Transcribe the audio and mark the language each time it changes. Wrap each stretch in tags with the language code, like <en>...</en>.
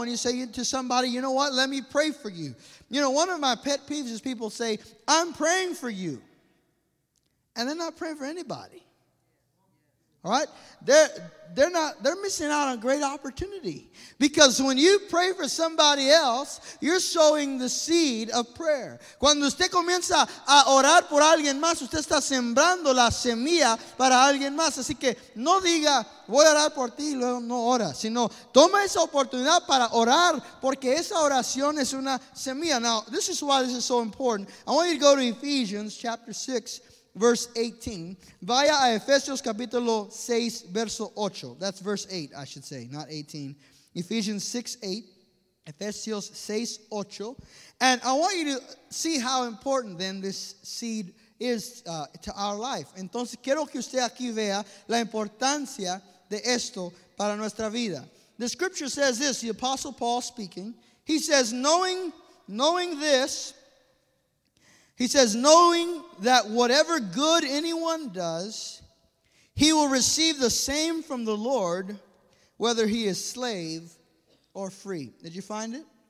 <en>When you say to somebody, you know what, let me pray for you. You know, one of my pet peeves is people say, I'm praying for you. And they're not praying for anybody. All right? They're missing out on a great opportunity. Because when you pray for somebody else, you're sowing the seed of prayer.</en> <es>Cuando usted comienza a orar por alguien más, usted está sembrando la semilla para alguien más. Así que no diga, voy a orar por ti, y luego no ora. Sino, toma esa oportunidad para orar, porque esa oración es una semilla.</es> <en>Now, this is why this is so important. I want you to go to Ephesians chapter 6. Verse 18.</en> <es>Vaya a Efesios capítulo 6, verso 8.</es> <en>That's verse 8, I should say, not 18. Ephesians 6, 8.</en> <es>Efesios 6, 8.</es> <en>And I want you to see how important then this seed is to our life.</en> <es>Entonces, quiero que usted aquí vea la importancia de esto para nuestra vida.</es> <en>The scripture says this, the apostle Paul speaking. He says, knowing that whatever good anyone does, he will receive the same from the Lord, whether he is slave or free. Did you find it?</en>